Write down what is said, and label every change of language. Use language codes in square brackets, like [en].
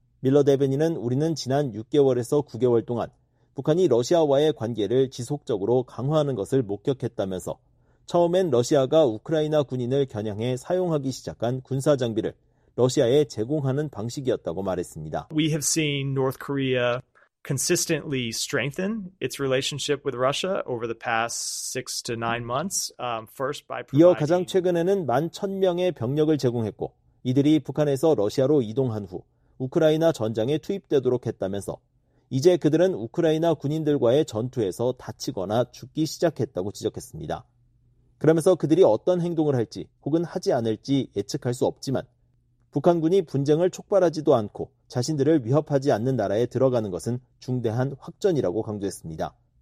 [ko] 밀러 대변인은 우리는 지난 6개월에서 9개월 동안 북한이 러시아와의 관계를 지속적으로 강화하는 것을 목격했다면서 처음엔 러시아가 우크라이나 군인을 겨냥해 사용하기 시작한 군사 장비를 러시아에 제공하는 방식이었다고 말했습니다. [en] We have seen North Korea consistently strengthen its relationship with Russia over the past 6 to 9 months. First by providing. [ko] 이어 가장 최근에는 11,000명의 병력을 제공했고 이들이 북한에서 러시아로 이동한 후 우크라이나 전장에 투입되도록 했다면서 이제 그들은 우크라이나 군인들과의 전투에서 다치거나 죽기 시작했다고 지적했습니다. 그러면서 그들이 어떤 행동을 할지 혹은 하지 않을지 예측할 수 없지만 북한군이 분쟁을 촉발하지도 않고 자신들을 위협하지 않는 나라에 들어가는 것은 중대한 확전이라고 강조했습니다.